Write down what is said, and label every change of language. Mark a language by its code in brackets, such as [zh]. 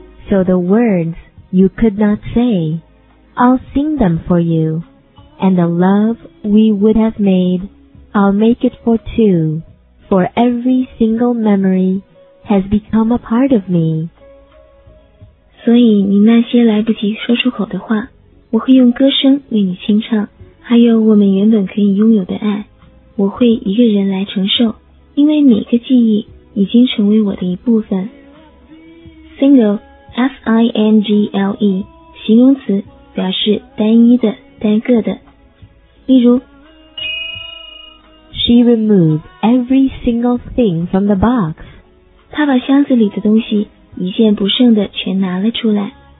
[en] So the words you could not say, I'll sing them for you. And the love we would have made, I'll make it for two. For every single memory has become a part of me. [zh] 所以你那些来不及说出口的话，我会用歌声为你清唱，还有我们原本可以拥有的爱，我会一个人来承受，因为每个记忆已经成为我的一部分。 Single S-I-N-G-L-E 形容词，表示单一的、单个的。例如 [en] She removed every single thing from the box. [zh] 她把箱子里的东西一件不剩的全拿了出来。